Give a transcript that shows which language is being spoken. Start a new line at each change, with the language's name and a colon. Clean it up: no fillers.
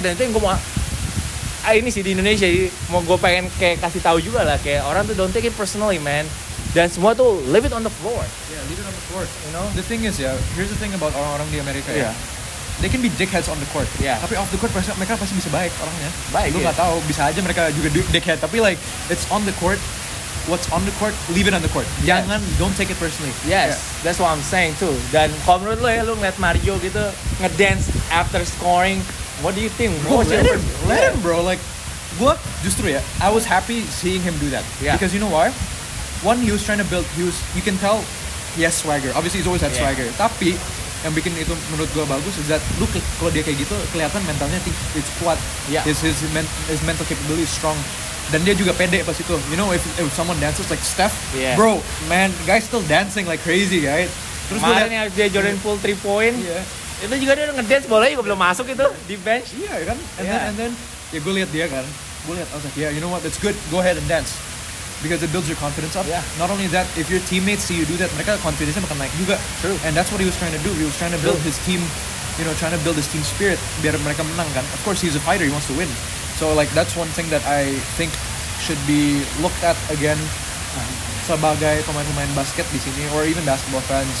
Indonesian: Dan itu yang gue mau ini sih di Indonesia mau gue pengen kayak kasih tahu juga lah, kayak orang tuh
English: don't take it personally, man.
Indonesian: Dan semua tuh
English: leave it on the floor. Yeah, leave it on the floor. You know. The thing is, here's the thing about
Indonesian: orang-orang di Amerika.
English: Yeah. They can be dickheads on the court. Yeah.
Indonesian: Tapi
English: off the court,
Indonesian: mereka pasti bisa baik orangnya. Baik. Lu nggak tahu, bisa aja mereka juga dickhead. Tapi
English: like, it's on the court. What's on the court, leave it on the court.
Indonesian: Jangan,
English: don't take it personally. Yes, that's what I'm saying too.
Indonesian: Dan kalau menurut lu ya, lu ngeliat Mario gitu ngedance
English: after scoring, What do you think? Bro, let him, bro. Like, what?
Indonesian: Justru ya,
English: I was happy seeing him do that. Yeah. Because you know why? One, he was trying to build. You can tell, he has swagger. Obviously, he's always had swagger.
Indonesian: Tapi yang bikin itu menurut gua bagus
English: is that look,
Indonesian: kalau dia kayak gitu kelihatan mentalnya
English: it's
Indonesian: kuat.
English: Yeah. His mental capability is strong.
Indonesian: Dan dia juga pede pas itu.
English: You know, if someone dances like Steph, yeah, bro, man, guy's still dancing like crazy, right?
Indonesian: Terus kemarin dia Jordan Poole 3 point.
English: Yeah.
Indonesian: Itu juga dia ngedance bola juga belum masuk itu di bench. Iya yeah, kan?
English: And then
Indonesian: gue lihat dia kan. Gue lihat,
English: I was like, yeah, you know what? That's good. Go ahead and dance. Because it builds your confidence up. Yeah. Not only that, if your teammates see you do that,
Indonesian: mereka confidence-nya makin naik juga.
English: True. And that's what he was trying to do. He was trying to build his team, you know, trying to build his team spirit
Indonesian: biar mereka menang kan.
English: Of course, he's a fighter. He wants to win. So like that's one thing that I think should be looked at again
Indonesian: sebagai pemain-pemain basket di sini
English: or even basketball fans.